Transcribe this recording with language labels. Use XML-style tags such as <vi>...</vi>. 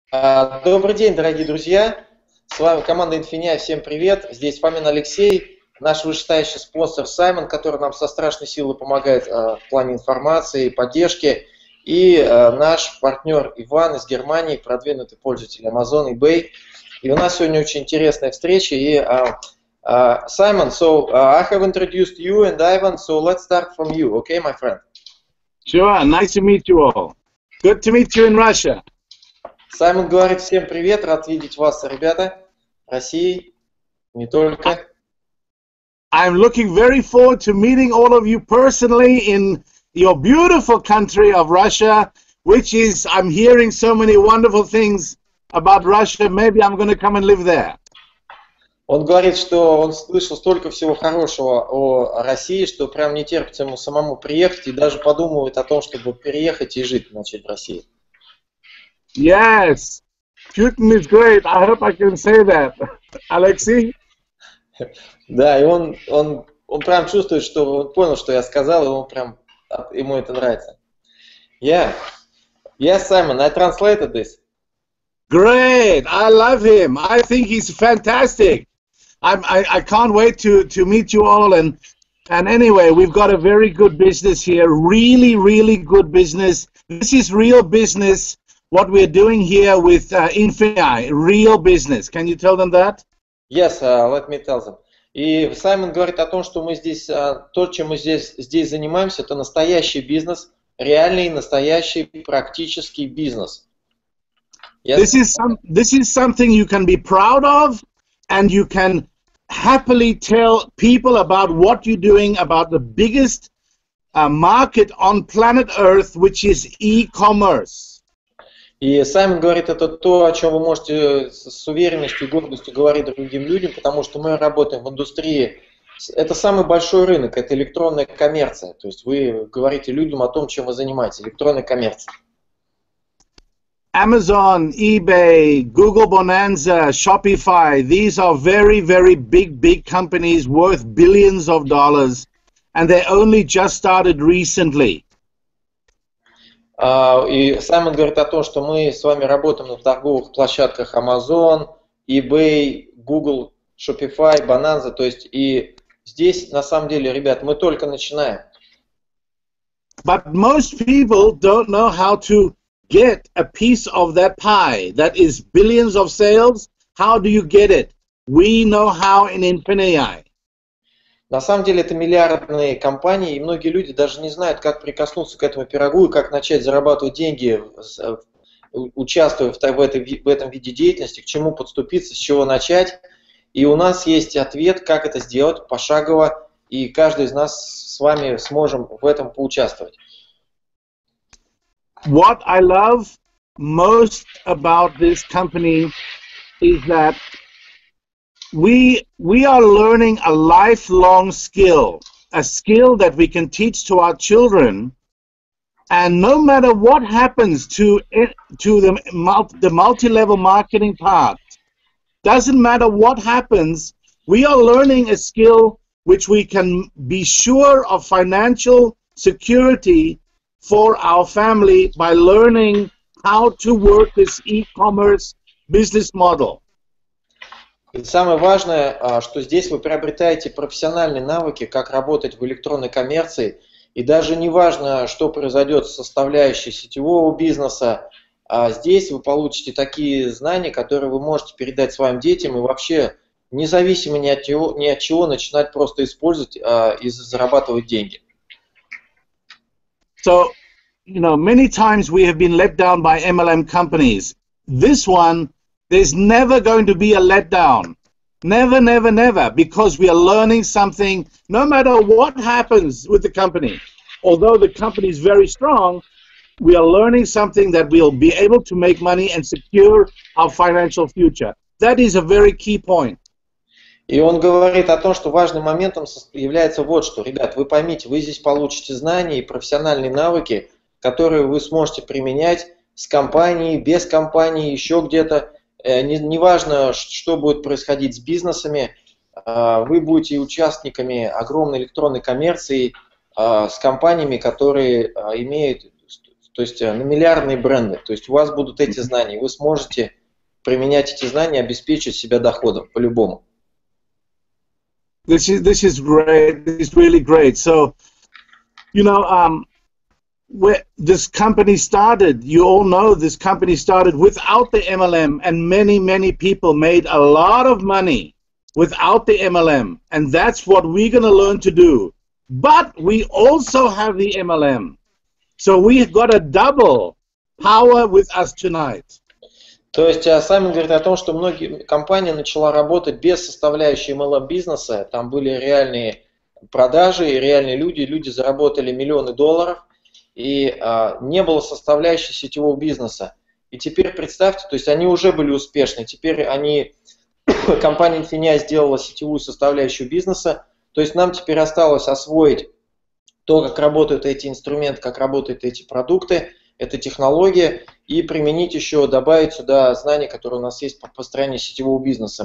<ru>Добрый день, дорогие друзья. С вами команда Infinia. Всем привет. Здесь Фомин Алексей, наш вышестоящий спонсор Саймон, который нам со страшной силой помогает в плане информации и поддержки. И наш партнер Иван из Германии, продвинутый пользователь Amazon, eBay. И у нас сегодня очень интересная встреча.</ru> <en>И Саймон, I have introduced you and Ivan, so let's start from you, okay, my friend? Sure, nice to meet you all. Good to meet you in Russia.</en> <ru>Саймон говорит всем привет, рад видеть вас, ребята, в России, не только.</ru> <en>I'm looking very forward to meeting all of you personally in your beautiful country of Russia, which is, I'm hearing so many wonderful things about Russia, maybe I'm going to come and live there.</en> <ru>Он говорит, что он слышал столько всего хорошего о России, что прям не терпится ему самому приехать и даже подумывает о том, чтобы переехать и жить, начать в России.</ru> <en>Yes, Putin is great. I hope I can say that, Алексей.</en> <ru>Да, и он прям чувствует, что он понял, что я сказал, и он прям ему это нравится.</ru> <en>Yeah, yes, Simon, I translated this. Great, I love him. I think he's fantastic. I can't wait to meet you all and anyway, we've got a very good business here. Really, really good business. This is real business. What we're doing here with Infinity, real business. Can you tell them that? Yes, let me tell them.</en> <ru>И Саймон говорит о том, что мы здесь, то, чем мы здесь занимаемся, это настоящий бизнес, реальный, настоящий, практический бизнес.</ru> <en>Yes. This is something you can be proud of, and you can happily tell people about what you're doing, about the biggest market on planet Earth, which is e-commerce.</en> <ru>И Саймон говорит, это то, о чем вы можете с уверенностью и гордостью говорить другим людям, потому что мы работаем в индустрии. Это самый большой рынок, это электронная коммерция. То есть вы говорите людям о том, чем вы занимаетесь, электронная коммерция.</ru> <en>Amazon, eBay, Google Bonanza, Shopify, these are very, very big, big companies worth billions of dollars, and they only just started recently.</en> <ru>И Саймон говорит о том, что мы с вами работаем на торговых площадках Amazon, eBay, Google, Shopify, Bonanza. То есть и здесь, на самом деле, ребят, мы только начинаем.</ru> <en>But most people don't know how to get a piece of that pie that is billions of sales. How do you get it? We know how in Infinity.</en> <ru>На самом деле это миллиардные компании, и многие люди даже не знают, как прикоснуться к этому пирогу и как начать зарабатывать деньги, участвуя в этом виде деятельности, к чему подступиться, с чего начать. И у нас есть ответ, как это сделать пошагово, и каждый из нас с вами сможем в этом поучаствовать.</ru> <en>What I love most about this company is that We are learning a lifelong skill, a skill that we can teach to our children, and no matter what happens to the multi-level marketing part, doesn't matter what happens, we are learning a skill which we can be sure of financial security for our family by learning how to work this e-commerce business model.</en> <ru>И самое важное, что здесь вы приобретаете профессиональные навыки, как работать в электронной коммерции, и даже не важно, что произойдет с составляющей сетевого бизнеса, здесь вы получите такие знания, которые вы можете передать своим детям, и вообще, независимо ни от чего, начинать просто использовать и зарабатывать деньги.</ru> <en>So, you know, many times we have been let down by MLM companies. This one... There's never going to be a letdown. Never, never, never. Because we are learning something, no matter what happens with the company. Although the company is very strong, we are learning something that we'll be able to make money and secure our financial future. That is a very key point.</en> <ru>И он говорит о том, что важным моментом является вот что. Ребят, вы поймите, вы здесь получите знания и профессиональные навыки, которые вы сможете применять с компанией, без компании, еще где-то. Не важно, что будет происходить с бизнесами, вы будете участниками огромной электронной коммерции с компаниями, которые имеют то есть на миллиардные бренды. То есть у вас будут эти знания, вы сможете применять эти знания, обеспечить себя доходом по-любому.</ru> <en>This is great. This is really great. So, you know, where this company started, you all know this company started without the MLM, and many, many people made a lot of money without the MLM, and that's what we're going to learn to do. But we also have the MLM, so we've got a double power with us tonight.</en> <ru>То есть Саймон говорит о том, что многие компании начала работать без составляющей MLM бизнеса, там были реальные продажи, реальные люди, люди заработали миллионы долларов, и не было составляющей сетевого бизнеса. И теперь представьте, то есть они уже были успешны, теперь они, компания Infinia сделала сетевую составляющую бизнеса, то есть нам теперь осталось освоить то, как работают эти инструменты, как работают эти продукты, эта технология, и применить еще, добавить сюда знания, которые у нас есть по построению сетевого бизнеса.</ru>